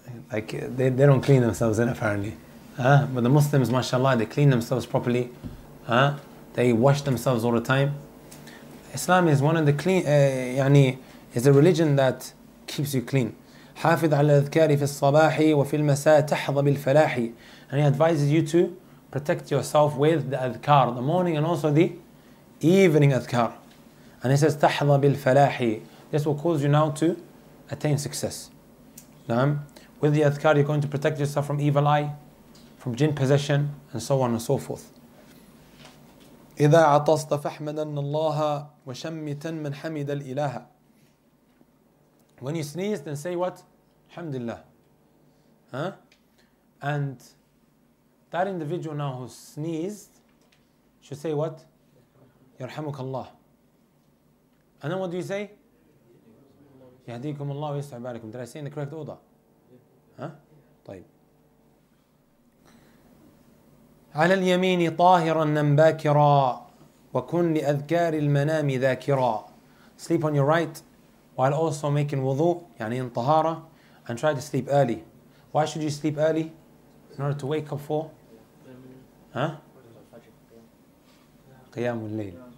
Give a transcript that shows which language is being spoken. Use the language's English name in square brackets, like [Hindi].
[English] Like, they don't clean themselves in, apparently. But the Muslims, mashallah, they clean themselves properly. They wash themselves all the time. Islam is one of the clean, is a religion that keeps you clean. [Arabic] حافظ على الأذكار في الصباح وفي المساء تحظى بالفلاح. [English] And he advises you to protect yourself with the adhkar, the morning and also the evening adhkar. And he says, [Arabic] تَحْظَ بِالْفَلَاحِ. [English] This will cause you now to attain success. Naam. With the adhkar, you're going to protect yourself from evil eye, from jinn possession, and so on and so forth. [Arabic] إِذَا عَطَصْتَ فَحْمَدَنَّ اللَّهَ وَشَمِّتَنْ مَنْ حَمِدَ الْإِلَهَ. [English] When you sneeze, then say what? Alhamdulillah. Huh? And that individual now who sneezed should say what? [Arabic] يَرْحَمُكَ اللَّهُ. [English] And then what do you say? [Arabic] يَهْدِيكُمُ اللَّهُ وَيَسْتَعُ بَارِكُمْ. [English] Did I say in the correct order? Huh? طيب. [Arabic] على اليمين طاهرا نمباكرا وكن لأذكار المنام ذاكرا. [English] Sleep on your right while also making wudu, يعني in طهارة, and try to sleep early. Why should you sleep early? In order to wake up for قيام الليل.